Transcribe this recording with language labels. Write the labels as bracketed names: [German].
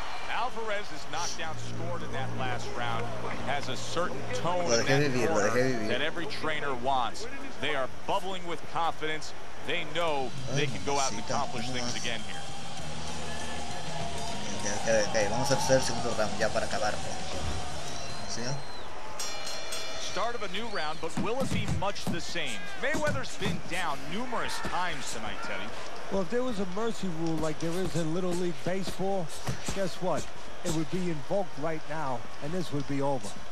[English] Alvarez is knocked down, scored in that last round. Has a certain tone in that corner that every trainer wants. They are bubbling with confidence. They know they can go out and accomplish things again here. [Spanish] Okay, vamos a hacer el segundo round ya para acabar. ¿Sí? [English] Start of a new round, but will it be much the same? Mayweather's been down numerous times tonight, Teddy. Well, if there was a mercy rule like there is in Little League Baseball, guess what? It would be invoked right now, and this would be over.